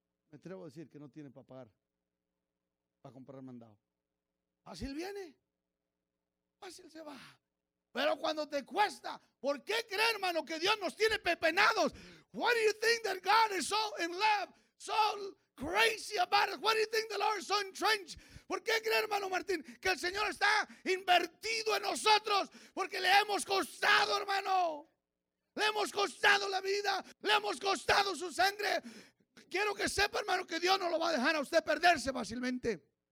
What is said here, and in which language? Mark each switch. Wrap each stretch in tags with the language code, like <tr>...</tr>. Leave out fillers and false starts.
<es>Me atrevo a decir que no tiene para pagar, para comprar mandado. Fácil viene, fácil se va. Pero cuando te cuesta, ¿por qué creer, hermano, que Dios nos tiene pepenados?</es> <en>What do you think that God is so in love, so crazy about it? What do you think the Lord is so entrenched?</en> <es>¿Por qué creer, hermano Martín, que el Señor está invertido en nosotros? Porque le hemos costado, hermano. Le hemos costado la vida. Le hemos costado su sangre. Quiero que sepa, hermano, que Dios no lo va a dejar a usted perderse fácilmente.</es>